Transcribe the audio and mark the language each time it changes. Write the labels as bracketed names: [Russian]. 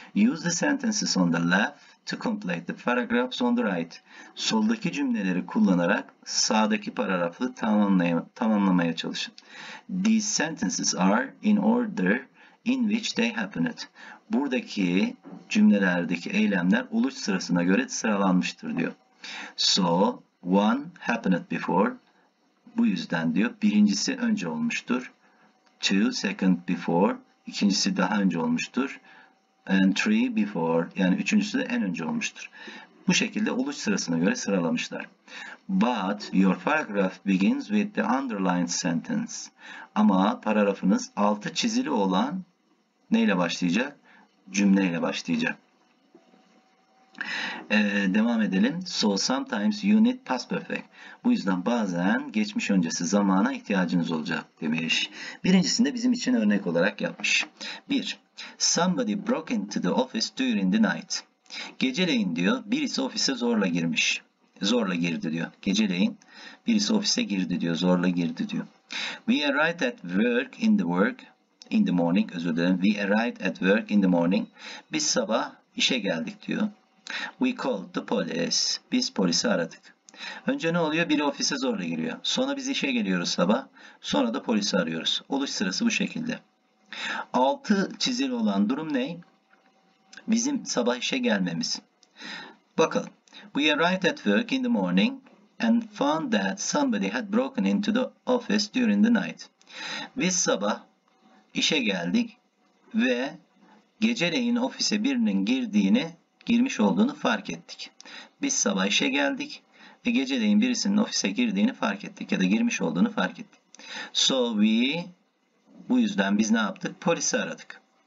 [English] Use the sentences on the left to complete the paragraphs on the right. [Turkish] Soldaki cümleleri kullanarak sağdaki paragrafı tamamlamaya çalışın. [English] These sentences are in order in which they happened. [Turkish] Buradaki cümlelerdeki eylemler oluş sırasına göre sıralanmıştır diyor. [English] So, one happened before. [Turkish] Bu yüzden diyor, birincisi önce olmuştur. [English] Two, second before. [Turkish] İkincisi daha önce olmuştur. [English] And three before, [Turkish] yani üçüncüsü de en önce olmuştur. Bu şekilde oluş sırasına göre sıralamışlar. [English] But your paragraph begins with the underlined sentence. [Turkish] Ama paragrafınız altı çizili olan neyle başlayacak? Cümleyle başlayacak. Devam edelim. [English] So sometimes you need past perfect. [Turkish] Bu yüzden bazen geçmiş öncesi zamana ihtiyacınız olacak demiş. Birincisinde bizim için örnek olarak yapmış. 1. [English] Somebody broke into the office during the night. [Turkish] Geceleyin diyor, birisi ofise zorla girmiş. Zorla girdi diyor. Geceleyin birisi ofise girdi diyor. Zorla girdi diyor. [English] We arrived at work in the work in the morning. [Turkish] Özür dilerim. [English] We arrived at work in the morning. [Turkish] Biz sabah işe geldik diyor. [English] We called the police. [Turkish] Biz polisi aradık. Önce ne oluyor? Biri ofise zorla giriyor. Sonra biz işe geliyoruz sabah. Sonra da polisi arıyoruz. Oluş sırası bu şekilde. Altı çizili olan durum ne? Bizim sabah işe gelmemiz. Bakalım. [English] We arrived at work in the morning and found that somebody had broken into the office during the night. [Turkish] Biz sabah işe geldik ve geceleyin ofise birinin girmiş olduğunu fark ettik. Biz sabah işe geldik ve geceleyin birisinin ofise girdiğini fark ettik ya da girmiş olduğunu fark ettik. [English] So we, [Turkish] bu yüzden biz ne yaptık? Polisi aradık.